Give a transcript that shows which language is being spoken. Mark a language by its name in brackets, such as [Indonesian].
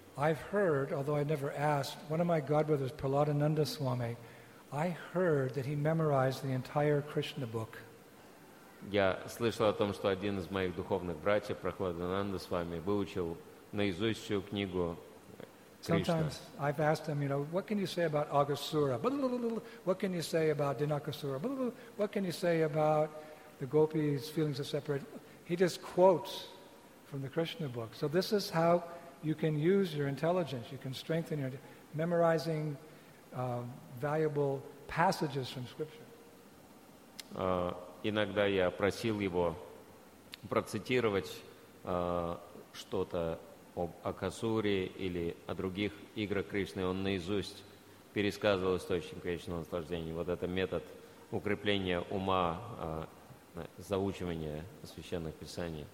[English] I've heard, although I never asked, one of my godbrothers, Prahladananda Swami, I heard that he memorized the entire Krishna book. [Russian] Я слышал о том, что один из моих духовных братьев, Прахладананда Свами, выучил наизусть всю книгу Кришна. [English] Sometimes I've asked him, you know, what can you say about Agasura? What can you say about Dinakasura? What can you say about the gopis' feelings of separation? He just quotes from the Krishna book. So this is how you can use your intelligence. You can strengthen your memorizing valuable passages from scripture. [Russian] Иногда я просил его процитировать что-то об Акасуре или о других играх Кришны. Он наизусть пересказывал источник вечного наслаждения. Вот это метод укрепления ума, заучивания священных писаний.